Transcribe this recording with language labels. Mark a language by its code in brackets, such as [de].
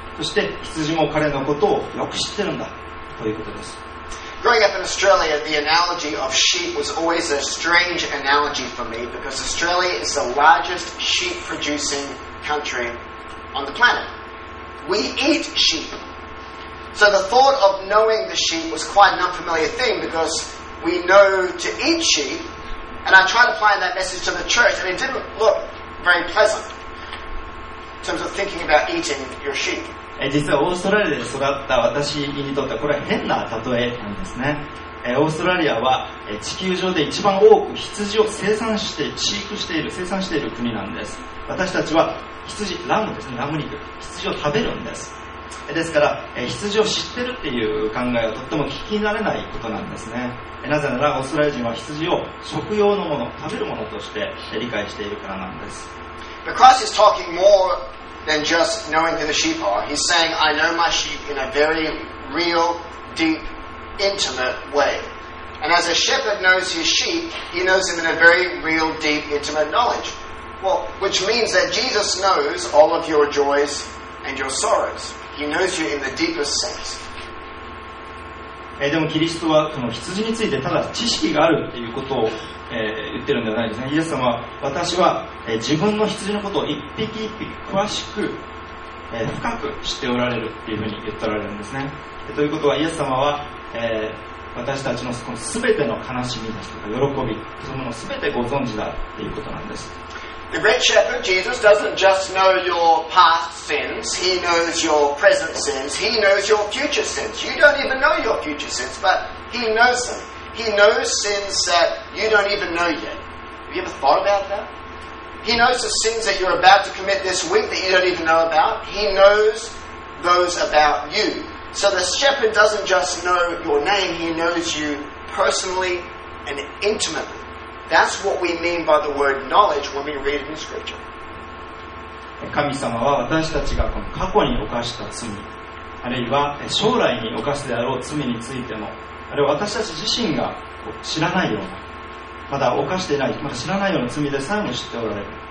[ja] そして羊も彼のことをよく知ってるんだということです。 [en] Growing up in Australia, the analogy of sheep was always a strange analogy for me because Australia is the largest sheep producing country on the planet. We eat sheep. So the thought of knowing the sheep was quite an unfamiliar thing because we know to eat sheep. And I tried applying that message to the church, and it didn't look very pleasant in terms of thinking about eating your sheep. [ja] 実はオーストラリアで育った私にとってはこれは変な例えなんですね。オーストラリアは地球上で一番多く羊を生産して飼育している、生産している国なんです。私たちは羊、ラムですね、ラム肉、羊を食べるんです。ですから羊を知ってるっていう考えはとっても聞き慣れないことなんですね。なぜならオーストラリア人は羊を食用のもの、食べるものとして理解しているからなんです。 [en] But Christ is talking more than just knowing who the sheep are. He's saying, I know my sheep in a very real, deep, intimate way. And as a shepherd knows his sheep, he knows him in a very real, deep, intimate knowledge. Well, which means that Jesus knows all of your joys and your sorrows. He knows you in the deepest sense. [ja] でもキリストはこの羊についてただ知識があるということを、言ってるんではないですね。イエス様は私は、自分の羊のことを一匹一匹詳しく、深く知っておられるというふうに言っておられるんですね。ということはイエス様は、私たちの全ての悲しみですとか喜び、そのもの全てご存知だということなんです。 [en] The Great Shepherd Jesus doesn't just know your past sins, he knows your present sins, he knows your future sins. You don't even know your future sins, but he knows them. He knows sins that you don't even know yet. Have you ever thought about that? He knows the sins that you're about to commit this week that you don't even know about. He knows those about you. So the shepherd doesn't just know your name, he knows you personally and intimately. That's what we mean by the word knowledge when we read it in Scripture. [ja] 神様は私たちがこの過去に犯した罪、あるいは将来に犯すであろう罪についても、あるいは私たち自身が知らないような、まだ犯していない、まだ知らないような罪でさえも知っておられる。